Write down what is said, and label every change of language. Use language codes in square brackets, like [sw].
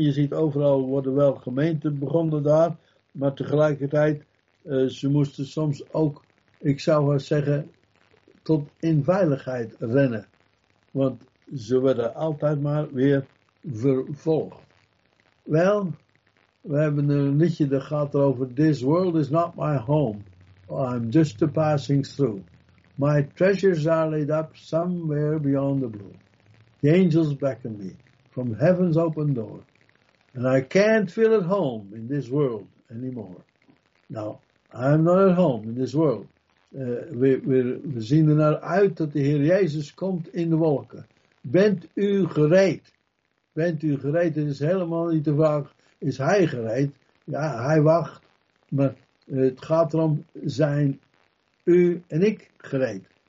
[nl] Je ziet overal worden wel gemeenten begonnen daar, maar tegelijkertijd, ze moesten soms ook, ik zou wel zeggen, tot in veiligheid rennen. Want ze werden altijd maar weer vervolgd. Wel, we hebben een liedje dat gaat over, [en] this world is not my home, I'm just a passing through. My treasures are laid up somewhere beyond the blue. The angels beckon me from heaven's open door. And I can't feel at home in this world anymore. Now, I'm not at home in this world. [nl] We zien er naar uit dat de Heer Jezus komt in de wolken. Bent u gereed? Bent u gereed? Het is helemaal niet de vraag. Is hij gereed? Ja, hij wacht. Maar het gaat erom zijn u en ik gereed.